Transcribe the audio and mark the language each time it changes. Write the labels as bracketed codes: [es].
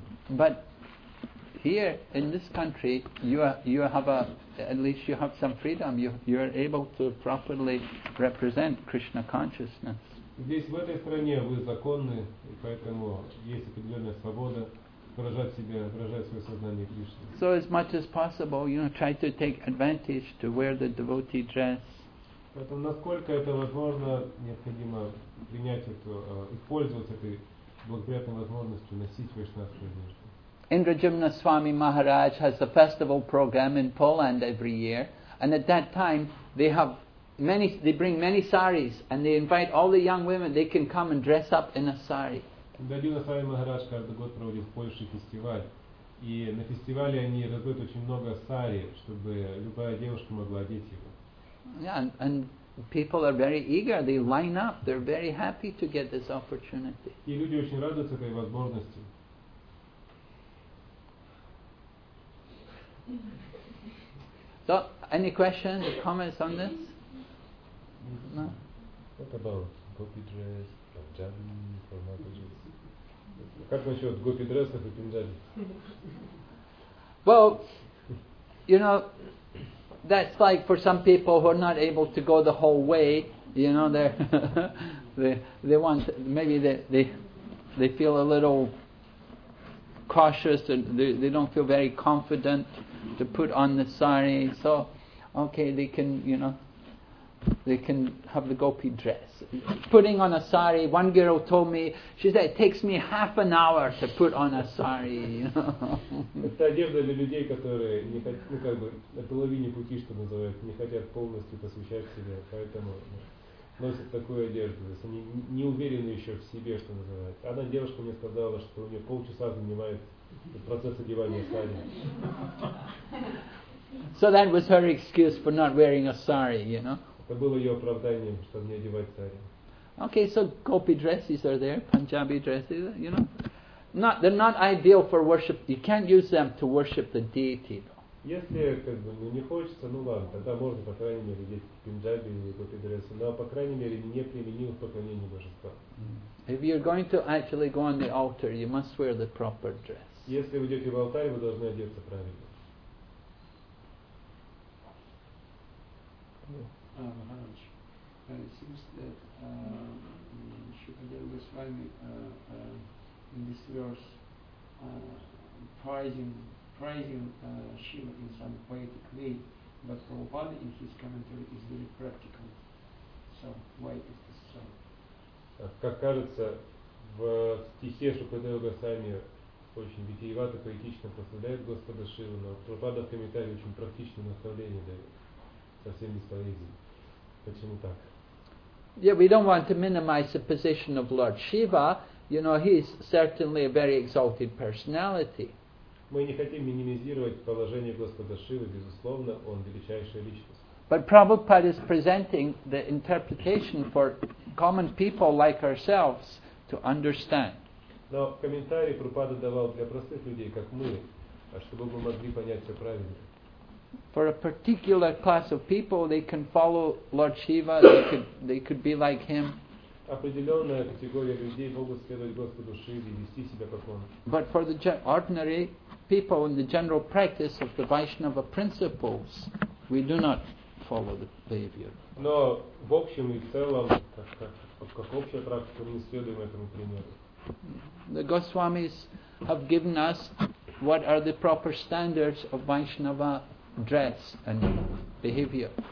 [en] But here in this country you have some freedom. You are able to properly represent Krishna consciousness. [ru] Здесь, в этой стране, вы законны, и поэтому есть определенная свобода выражать себя, выражать свое сознание Кришны. [en] So as much as possible, you know, try to take advantage to wear the devotee dress. [ru] Поэтому, насколько это возможно, необходимо принять эту, использовать этой благоприятной возможностью носить вайшнавскую одежду. [en] Indrajimna Swami Maharaj has a festival program in Poland every year, and at that time they have they bring many saris, and they invite all the young women. They can come and dress up in a sari. [ru] Indrajimna Swami Maharaj каждый год проводит в Польше фестиваль, и на фестивале они раздают очень много сари, чтобы любая девушка могла одеть его. [en] Yeah, and people are very eager. They line up. They're very happy to get this opportunity. [ru] И люди очень радуются этой возможности. [en] So, any questions or comments on this? No. What about gopi dress, panjabi, or mataji? [ru] Как насчет гопи дресса и панджаби? [en] Well, you know, that's like for some people who are not able to go the whole way. You know, they want, maybe they feel a little cautious, and they don't feel very confident to put on the sari. So, okay, they can, you know, they can have the gopi dress. Putting on a sari, one girl told me, she said, it takes me half an hour to put on a sari. [ru] Это одежда для людей, которые не хотят, ну как бы, на половине пути, что называют, не хотят полностью посвящать себя, поэтому носят такую одежду. То есть они не уверены еще в себе, что называют. Одна девушка мне сказала, что у нее полчаса занимает процесс одевания сари. [en] So that was her excuse for not wearing a sari, you know? [ru] Это было ее оправданием, чтобы не одевать сари. [en] Okay, so gopi dresses are there, Punjabi dresses, you know? They're not ideal for worship. You can't use them to worship the deity, though. [ru] Если как бы не хочется, ну ладно, тогда можно по крайней мере одеть пинджаби или гопи дрессы, но по крайней мере не применимо в поклонении божества. [en] If you're going to actually go on the altar, you must wear the proper dress. [ru] Если вы идете в алтарь, вы должны одеться правильно. [en] Maharaj, seems that Shukadeva Goswami in this verse praising Shiva in some poetic way, but Prabhupada in his commentary is very practical. So why is this so? [ru] Как кажется, в стихе Шукадева Госвами очень витиевато, поэтично прославляет Господа Шиву, но Прабхупада в комментарии очень практичное наставление дает со всеми поэзией. [en] Yeah, we don't want to minimize the position of Lord Shiva. You know, he's certainly a very exalted personality. [ru] Мы не хотим минимизировать положение Господа Шивы, безусловно, он величайшая личность. [en] But Prabhupada is presenting the interpretation for common people like ourselves to understand. [ru] Но комментарий Прабхупада давал для простых людей, как мы, чтобы мы могли понять все правильно. [en] For a particular class of people, they can follow Lord Shiva, they could be like him. [ru] Определенная категория людей могут следовать Господу Шиве и вести себя как он. [en] But for the ordinary people in the general practice of the Vaishnava principles, we do not follow the behavior. [ru] Но в общем и целом, как общая практика мы следуем этому примеру. [en] The Goswamis have given us what are the proper standards of Vaishnava dress and behavior.